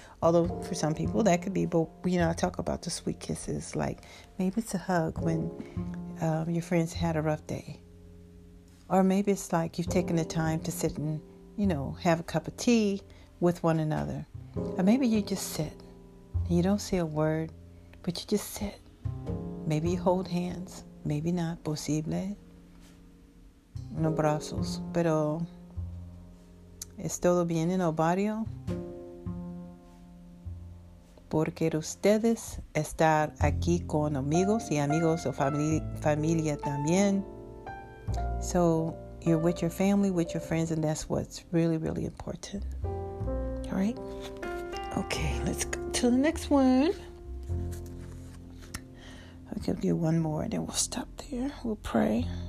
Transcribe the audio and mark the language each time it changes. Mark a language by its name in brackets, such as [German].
[English] Although for some people that could be, but you know, I talk about the sweet kisses, like maybe it's a hug when your friends had a rough day. Or maybe it's like you've taken the time to sit and, you know, have a cup of tea with one another. Or maybe you just sit and you don't say a word, but you just sit. Maybe you hold hands, maybe not, posible. [Spanish] No brazos, pero es todo bien en el barrio. Porque ustedes estar aquí con amigos y amigos o familia también. [English] So you're with your family, with your friends, and that's what's really, really important. All right? Okay, let's go to the next one. I'll give you one more and then we'll stop there. We'll pray.